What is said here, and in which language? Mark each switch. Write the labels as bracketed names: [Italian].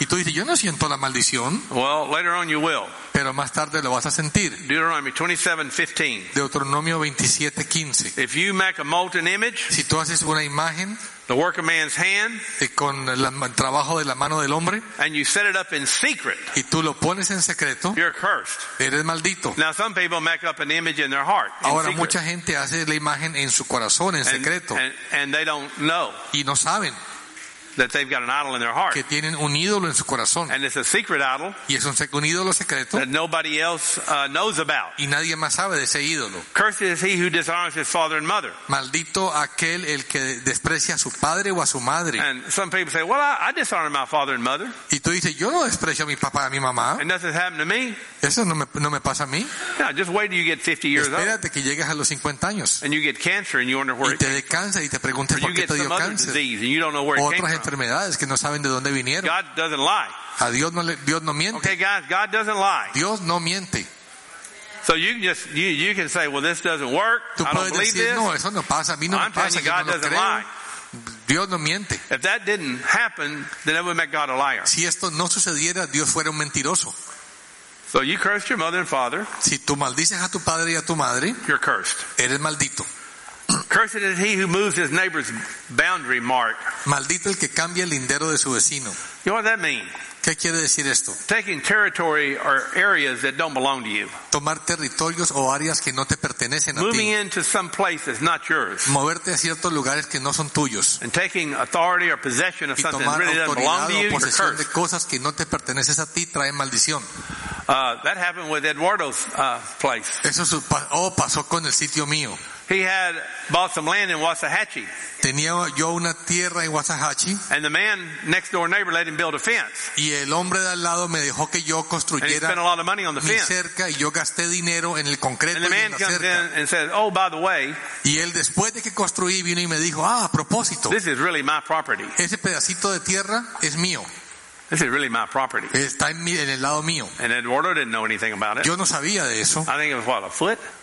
[Spanish] Y tú dices, yo no siento la maldición. [English] Well, later on you will. [Spanish] Pero más tarde lo vas a sentir. [English] Deuteronomy 27:15. [Spanish] Deuteronomio 27:15. [English] If you make a molten image, [Spanish] si tú haces una imagen, [English] the work of man's hand, [Spanish] con el trabajo de la mano del hombre, [English] and you set it up in secret, [Spanish] y tú lo pones en secreto, [English] you're cursed. [Spanish] Eres maldito. [English] Now some people make up an image in their heart. [Spanish] Ahora mucha gente hace la imagen en su corazón en secreto, [English] and they don't know. [Spanish] Y no saben. [English] That they've got an idol in their heart. [Spanish] Que tienen un ídolo en su corazón. [English] And it's a secret idol. [Spanish] Y es un ídolo secreto. [English] That nobody else knows about. [Spanish] Y nadie más sabe de ese ídolo. [English] Cursed is he who dishonors his father and mother. [Spanish] Maldito aquel el que desprecia a su padre o a su madre. [English] And some people say, well, I dishonor my father and mother. [Spanish] Y tú dices, yo no desprecio a mi papá y a mi mamá. [English] And nothing's happened to me. [Spanish] Eso no me pasa a mí. [English] No, just wait till you get 50 years [Spanish] Espérate [English] old. [Spanish] Espérate que llegues a los 50 años. [English] And you get cancer and you wonder where [Spanish] y te cáncer y te preguntas por qué te dio cáncer. [English] Disease and you don't know where it came from. [Spanish] Enfermedades que no saben de dónde vinieron. [English] God doesn't lie. [Spanish] A Dios no miente. [English] Okay, guys, God doesn't lie. [Spanish] Dios no miente. [English] So you can say, well, this doesn't work. [Spanish] Tú puedes [English] I don't believe [Spanish] decir, [English] this. [Spanish] No, eso no pasa. A mí no [English] I'm [Spanish] me pasa. [English] You, God [Spanish] no [English] doesn't [Spanish] creo. [English] Lie. [Spanish] Dios no miente. [English] If that didn't happen, then it would make God a liar. [Spanish] Si esto no sucediera, Dios fuera un mentiroso. [English] So you cursed your mother and father. [Spanish] Si tú maldices a tu padre y a tu madre, [English] you're cursed. [Spanish] Eres maldito. [English] Cursed is he who moves his neighbor's boundary mark. [Spanish] Maldito el que cambia el lindero de su vecino. [English] You know what that means? [Spanish] ¿Qué quiere decir esto? [English] Taking territory or areas that don't belong to you. [Spanish] Tomar territorios o áreas que no te pertenecen a ti. [English] Moving into some places not yours. [Spanish] Moverte a ciertos lugares que no son tuyos. [English] And taking authority or possession of something that really doesn't belong to you. [Spanish] Tomar autoridad o posesión de cosas que no te pertenecen a ti trae maldición. [English] That happened with Eduardo's place. [Spanish] Eso pasó con el sitio mío. [English] He had bought some land in Waxahachie. [Spanish] Tenía yo una tierra en Waxahachie. [English] And the man next door neighbor let him build a fence. [Spanish] Y el hombre de al lado me dejó que yo construyera mi cerca y yo gasté dinero en el concreto y en la cerca. [English] And said, "Oh, by the way." [Spanish] Y él después de que construí vino y me dijo, "Ah, a propósito." [English] This is really my property. [Spanish] Ese pedacito de tierra es mío. [English] This is really my property. [Spanish] Está en el lado mío. [English] And Eduardo didn't know anything about it. [Spanish] Yo no sabía de eso. [English] I think it was what, a foot?